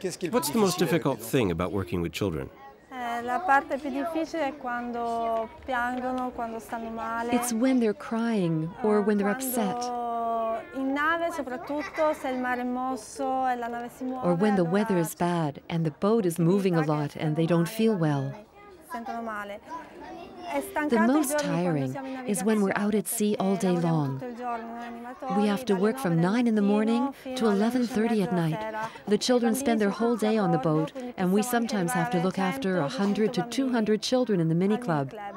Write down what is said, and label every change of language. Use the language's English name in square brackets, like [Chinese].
[English] What's the most difficult thing about working with children? [Italian] La parte più difficile è quando piangono, quando stanno male. [English] It's when they're crying or when they're upset. [Italian] In nave, soprattutto se il mare è mosso e la nave si muove. [English] Or when the weather is bad and the boat is moving a lot and they don't feel well. [Italian] Sentono male. [English] The most tiring is when we're out at sea all day long. We have to work from 9 in the morning to 11:30 at night. The children spend their whole day on the boat, and we sometimes have to look after 100 to 200 children in the mini club.